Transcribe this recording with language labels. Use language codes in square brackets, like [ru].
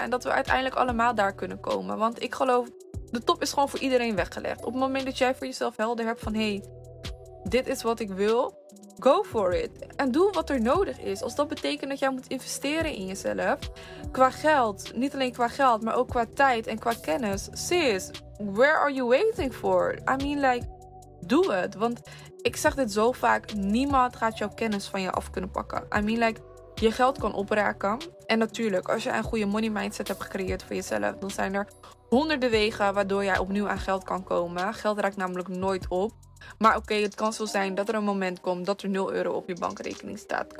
[nl] En dat we uiteindelijk allemaal daar kunnen komen. Want ik geloof, de top is gewoon voor iedereen weggelegd. Op het moment dat jij voor jezelf helder hebt van, hey, dit is wat ik wil, [en] go for it. [nl] En doe wat er nodig is. Als dat betekent dat jij moet investeren in jezelf. Qua geld, niet alleen qua geld, maar ook qua tijd en qua kennis. [en] Sis, where are you waiting for? I mean, like, [nl] doe het. Want ik zeg dit zo vaak, niemand gaat jouw kennis van je af kunnen pakken. [en] I mean, like, [nl] je geld kan opraken. En natuurlijk, als je een goede money mindset hebt gecreëerd voor jezelf, dan zijn er honderden wegen waardoor jij opnieuw aan geld kan komen. Geld raakt namelijk nooit op. Maar oké, het kan zo zijn dat er een moment komt dat er 0 euro op je bankrekening staat.